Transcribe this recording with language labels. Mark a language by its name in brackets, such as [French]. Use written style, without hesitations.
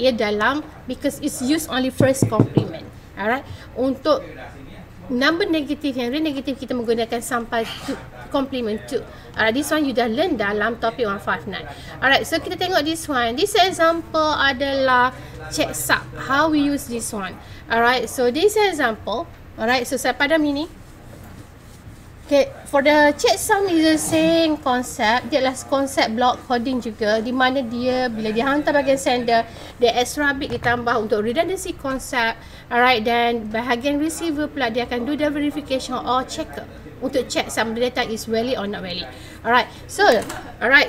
[English] Ia dalam, because it's used only first complement. Alright. [Malay] Untuk number negative yang real negative, kita menggunakan sampai 2. Complement 2. [English] Alright, this one you dah learn dalam topik 159. Alright, so kita tengok this one. This example adalah checksum. How we use this one. Alright, so this example. [Malay] Alright, so saya padam ini. [English] Okay, for the checksum is the same concept. [Malay] Dia adalah konsep block coding juga. Di mana dia, bila dia hantar bagian sender, the extra bit ditambah untuk redundancy concept. [English] Alright, then bahagian receiver pula, dia akan do the verification or checker. Untuk check sama ada data is valid or not valid. Alright. So, alright.